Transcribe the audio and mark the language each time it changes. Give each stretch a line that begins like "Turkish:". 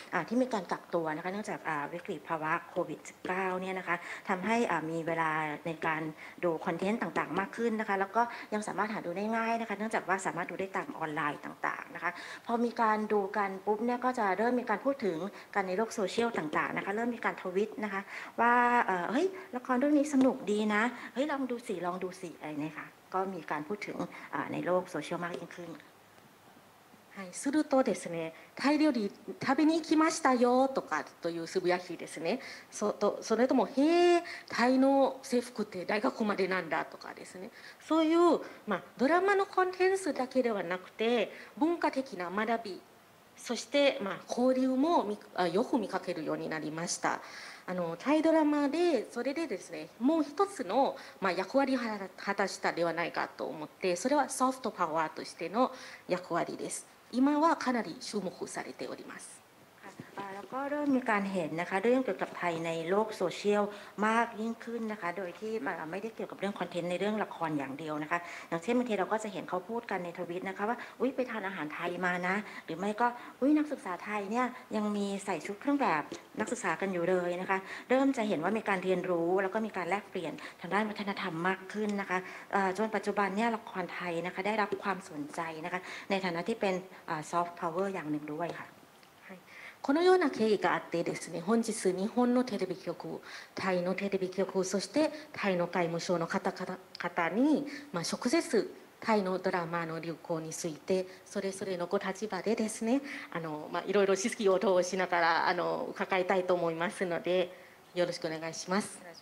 Thai: ที่มีการกักตัวนะคะเนื่องจากวิกฤตภาวะโควิด-19เนี่ยนะคะทำให้มีเวลาในการดูคอนเทนต์ต่างๆมากขึ้นนะคะแล้วก็ยังสามารถหาดูได้ง่ายนะคะเนื่องจากว่าสามารถดูได้ตามออนไลน์ต่างๆนะคะพอมีการดูกันปุ๊บเนี่ยก็จะเริ่มมีการพูดถึงกันในโลกโซเชียลต่างๆนะคะเริ่มมีการทวิตนะคะว่าเฮ้ยละครเรื่องนี้สนุกดีนะเฮ้ยลองดูสิอะไรนะคะก็มีการพูดถึงในโลกโซเชียลมากยิ่งขึ้น
Japanese: はい、するとですね、タイ料理食べに行きましたよとかというつぶやきですね。それとも、へえ、タイの制服って大学までなんだとかですね。そういう、まあ、ドラマのコンテンツだけではなくて、文化的な学び、そして、まあ、交流もよく見かけるようになりました。タイドラマで、それでですね、もう一つの、まあ、役割を果たしたではないかと思って、それはソフトパワーとしての役割です。今はかなり注目されております。
Thai: แล้วก็เริ่มมีการเห็นนะคะเรื่องเกี่ยวกับไทยในโลกโซเชียลมากยิ่งขึ้นนะคะโดยที่ไม่ได้เกี่ยวกับเรื่องคอนเทนต์ในเรื่องละครอย่างเดียวนะคะอย่างเช่นบางทีเราก็จะเห็นเขาพูดกันในทวิตนะคะว่าอุ้ยไปทานอาหารไทยมานะหรือไม่ก็อุ้ยนักศึกษาไทยเนี่ยยังมีใส่ชุดเครื่องแบบนักศึกษากันอยู่เลยนะคะเริ่มจะเห็นว่ามีการเรียนรู้แล้วก็มีการแลกเปลี่ยนทางด้านวัฒนธรรมมากขึ้นนะคะจนปัจจุบันเนี่ยละครไทยนะคะได้รับความสนใจนะคะในฐานะที่เป็นซอฟต์พาวเวอร์อย่างหนึ่งด้วยค่ะ
Japanese: このような経緯があってですね、本日日本のテレビ局、タイのテレビ局、そしてタイの外務省の方々に、まあ、直接タイのドラマの流行についてそれぞれのご立場でですね、まあ、いろいろ知識を通しながら伺いたいと思いますのでよろしくお願いします。